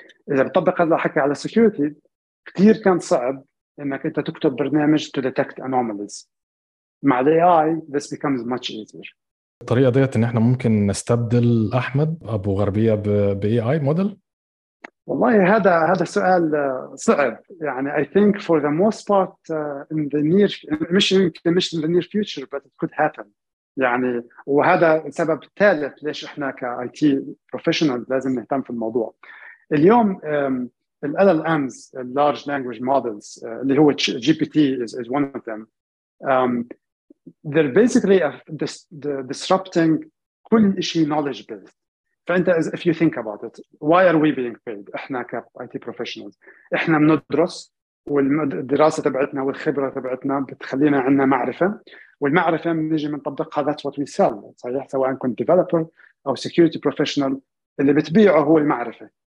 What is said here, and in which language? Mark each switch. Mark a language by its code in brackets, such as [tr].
[ar] إذا بطبق هذا الحكي على security، كتير كان صعب إنك أنت تكتب برنامج [en] to detect anomalies. [ar] مع الـ [en] AI this becomes much easier. [ar] الطريقة دي إن إحنا ممكن نستبدل أحمد أبو غربية بـ AI model؟ والله هذا سؤال صعب. يعني [en] I think for the most part in the near [ar] مش [en] in the near future but it could happen. [ar] يعني وهذا السبب الثالث ليش إحنا كـ IT professional لازم نهتم في الموضوع. اليوم الـ [en] LLMs large language models [ar] اللي هو [en] GPT is one of them. They're basically disrupting [ar] كل شيء [en] knowledge based. [ar] فأنت [en] if you think about it, why are we being paid? [ar] إحنا ك IT professionals إحنا بندرس والدراسة تبعتنا والخبرة تبعتنا بتخلينا عندنا معرفة، والمعرفة بنيجي بنطبقها. [en] That's what we sell. [ar] صحيح، سواء كنت developer أو security professional اللي بتبيعه هو المعرفة.